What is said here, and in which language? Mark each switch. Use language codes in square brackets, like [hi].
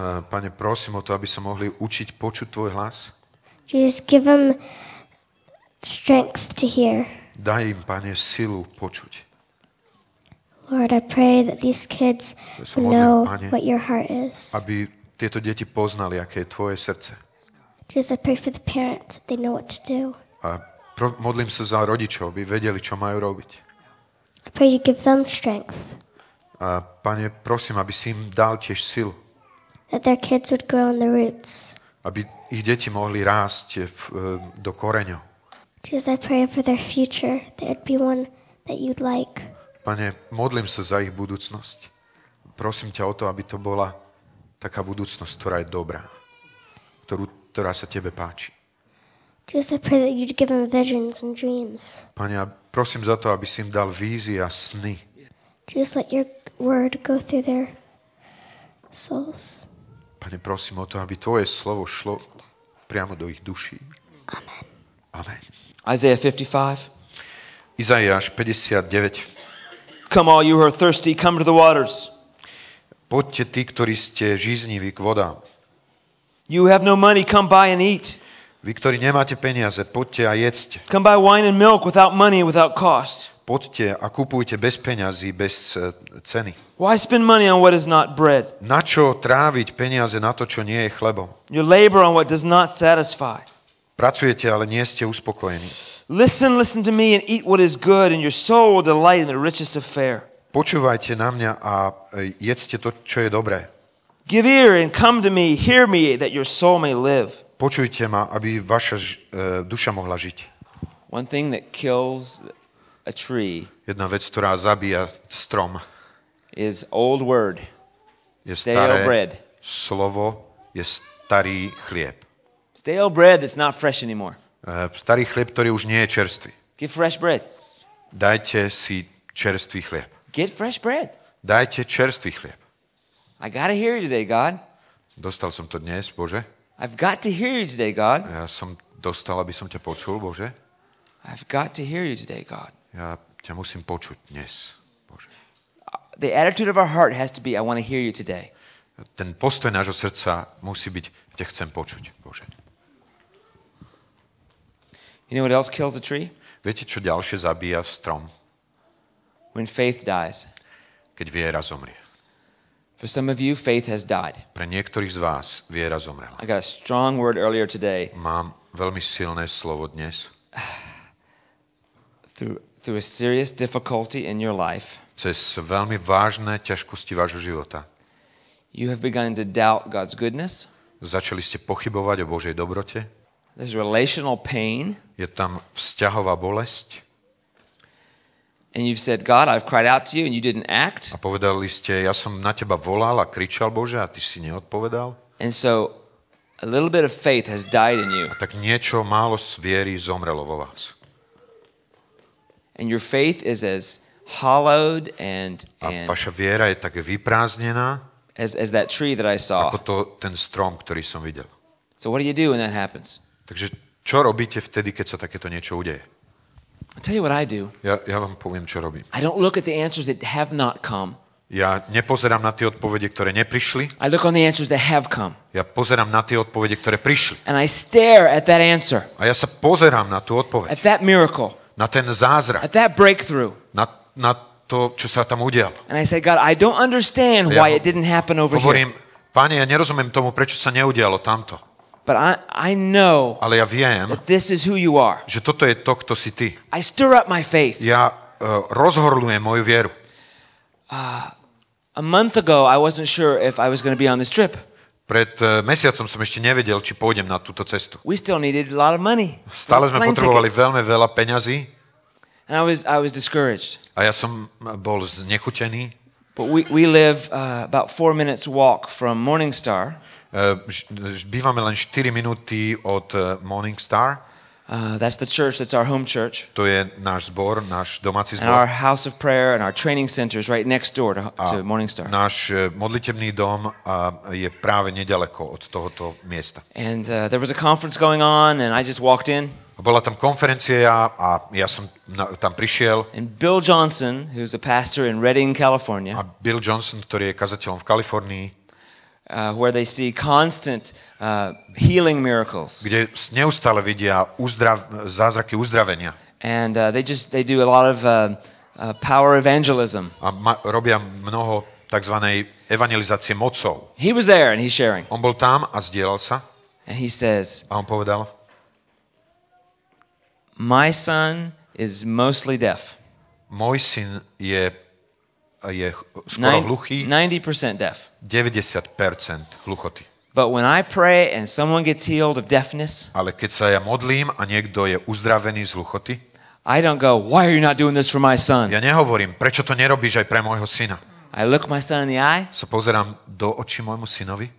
[sk] Pane, prosím o to, aby sa mohli učiť počuť tvoj hlas. [en] Jesus, give them strength to hear. [sk] Daj im, Pane, silu počuť. [en] Lord, I pray that these kids know what your heart is. [sk] Aby tieto deti poznali, aké je tvoje srdce. [en] Jesus, I pray for the parents that they know what to do. [sk] Modlím sa za rodičov, aby vedeli, čo majú robiť. [en] Pray you give them strength. [sk] A Pane, prosím, aby si im dal tiež silu. [en] That their kids would grow in the roots. [sk] Aby ich deti mohli rásť do koreňov. [en] Jesus, I pray for their future, that it'd be one that you'd like. [sk] Pane, modlím sa za ich budúcnosť. Prosím ťa o to, aby to bola taká budúcnosť, ktorá je dobrá, ktorá sa tebe páči. [en] Jesus, I pray that you'd give them visions and dreams. [sk] Pane, prosím za to, aby si im dal vízie a sny. [en] Jesus, let your word go through their souls. [sk] Pane, prosím o to, aby tvoje slovo šlo priamo do ich duší. [en] Amen. [sk] Amen. [en] Isaiah 55. [sk] Izaiáš 59. [en] Come all you who are thirsty, come to the waters. [sk] Poďte tí, ktorí ste žízniví k vodám. [en] You have no money, come buy and eat. [sk] Vy, ktorí nemáte peniaze, poďte a jedzte. [en] Come buy wine and milk without money, without cost. [sk] Poďte a kúpujte bez peňazí, bez ceny. [en] Why spend money on what is not bread? [sk] Na čo tráviť peniaze na to, čo nie je chlebom? [en] You labor on what does not satisfy. [sk] Pracujete, ale nie ste uspokojení. [en] Listen to me and eat what is good and your soul will delight in the richest of fare. [sk] Počúvajte na mňa a jedzte to, čo je dobré. [en] Give ear and come to me, hear me that your soul may live. [sk] Počujte ma, aby vaša duša mohla žiť. [en] One thing that kills a tree. [sk] Jedna vec, ktorá zabíja strom. [en] Is old word. [sk] Je staré bread. Slovo je starý chlieb. [en] Stale bread that's not fresh anymore. [sk] Starý chlieb, ktorý už nie je čerstvý. [en] Get fresh bread. [sk] Dajte si čerstvý chlieb. [en] Get fresh bread. [sk] Dajte čerstvý chlieb. [en] I gotta hear you today, God. [sk] Dostal som to dnes, Bože. [en] I've got to hear you today, God. [sk] Ja som dostal, aby som ťa počul, Bože. [en] I've got to hear you today, God. [sk] Ja ťa musím počuť dnes, Bože. [en] The attitude of our heart has to be, I want to hear you today. [sk] Ten postoj nášho srdca musí byť, ťa chcem počuť, Bože. [en] You know what else kills a tree? [sk] Viete, čo ďalšie zabíja strom? [en] When faith dies. [sk] Keď viera zomrie. [en] For some of you, faith has died. [sk] Pre niektorých z vás viera zomrela. [en] I got a strong word earlier today. [sk] Mám veľmi silné slovo dnes. [en] Through a serious difficulty in your life. [sk] Cez veľmi vážne ťažkosti vášho života. [en] You have begun to doubt God's goodness. [sk] Začali ste pochybovať o Božej dobrote. [en] There's relational pain. [sk] Je tam vzťahová bolesť. [en] And you've said, God, I've cried out to you and you didn't act. [sk] A povedali ste, ja som na teba volal a kričal, Bože, a ty si neodpovedal. [en] And so a little bit of faith has died in you. [sk] A tak niečo málo z viery zomrelo vo vás. [en] And your faith is as hollowed and [sk] a vaša viera je tak vyprázdnená [en] as that tree that I saw. [sk] Ako to ten strom, ktorý som videl. [en] So what do you do when that happens? [sk] Takže čo robíte vtedy, keď sa takéto niečo udeje? [en] I tell you what I do. [sk] Ja vám poviem, čo robím. [en] I don't look at the answers that have not come. [sk] Ja nepozerám na tie odpovede, ktoré neprišli. [en] I look on the answers that have come. [sk] Ja pozerám na tie odpovede, ktoré prišli. [en] And I stare at that answer. [sk] A ja sa pozerám na tú odpoveď. [en] At that miracle. [sk] Na ten zázrak. [en] At that breakthrough. [sk] Na to, čo sa tam udialo. [en] And I say, God, I don't understand why it didn't happen over here. [sk] Hovorím, Pane, ja nerozumiem tomu, prečo sa neudialo tamto. [en] But I know. [sk] Ale ja viem. [en] That this is who you are. [sk] Že toto je to, kto si ty. [en] I stir up my faith. [sk] Ja rozhorľujem moju vieru. [en] A month ago I wasn't sure if I was going to be on this trip. [sk] Pred mesiacom som ešte nevedel, či pôjdem na túto cestu. [en] We still needed a lot of money. [sk] Stále sme potrebovali veľmi veľa peňazí. [en] And I was discouraged. [sk] A ja som bol znechutený. [en] But we live about 4 minutes walk from Morningstar. [sk] Bývame len 4 minúty od Morningstar. [en] That's the church, that's our home church. [sk] To je náš zbor, náš domáci zbor. [en] And our house of prayer and our training center is right next door to Morningstar. [sk] Náš modlitebný dom je práve nedaleko od tohoto miesta. [en] And there was a conference going on and I just walked in. [sk] Bola tam konferencia a ja som tam prišiel. [en] And Bill Johnson, who's a pastor in Redding, California. [sk] A Bill Johnson, ktorý je kazateľom v Kalifornii. [en] Where they see constant healing miracles. [sk] Kde neustále vidia zázraky uzdravenia. [en] And they do a lot of power evangelism. [sk] A robia mnoho takzvanej evangelizácie mocou. [en] He was there and he's sharing. [sk] On bol tam a zdieľal sa. [en] And he says, [sk] a on povedal, [en] my son is mostly deaf. [sk] Môj syn je skoro hluchý. [en] 90% deaf. [sk] 90% hluchoty. [en] But when I pray and someone gets healed of deafness, [sk] ale keď sa ja modlím a niekto je uzdravený z hluchoty, [en] I don't go, why are you not doing this for my son? [sk] Ja nehovorím, prečo to nerobíš aj pre môjho syna? [en] I look my son in the eye. [sk] Sa pozerám do očí môjmu synovi.